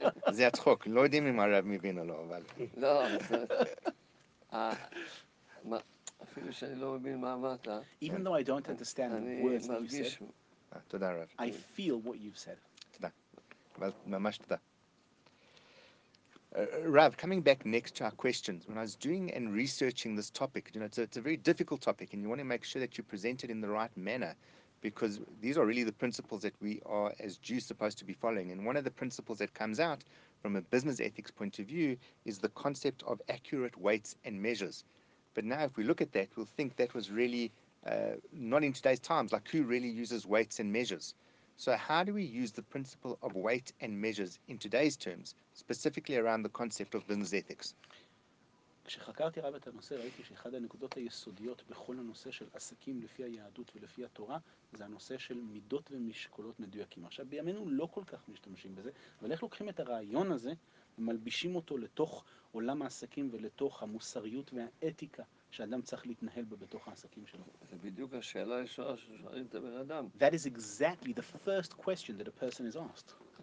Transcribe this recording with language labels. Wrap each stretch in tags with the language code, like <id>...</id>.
<he>זה הצחוק, לא יודעים אם הרב מבין או לא, אבל... לא, אפילו שאני לא מבין מה אמרת.</he> <en>Even though I don't understand the words that you said,</en> <he>תודה רב.</he> <en>I feel what you've said.</en> <he>תודה. אבל ממש תודה.</he> <en>Rav, coming back next to our questions, when I was doing and researching this topic, you know, it's a very difficult topic, and you want to make sure that you present it in the right manner, because these are really the principles that we are, as Jews, supposed to be following. And one of the principles that comes out from a business ethics point of view is the concept of accurate weights and measures. But now if we look at that, we'll think that was really not in today's times. Like, who really uses weights and measures? So how do we use the principle of weight and measures in today's terms, specifically around the concept of business ethics?</en> <he>כשחקרתי רב את הנושא, ראיתי שאחד הנקודות היסודיות בכל הנושא של עסקים לפי היהדות ולפי התורה, זה הנושא של מידות ומשקולות מדויקים. עכשיו, בימינו לא כל כך משתמשים בזה, אבל איך לוקחים את הרעיון הזה ומלבישים אותו לתוך עולם העסקים ולתוך המוסריות והאתיקה שאדם צריך להתנהל בה בתוך העסקים שלו? זה בדיוק השאלה הישועה ששואלים את הבן אדם.</he> <en>That is exactly the first question that a person is asked.</en>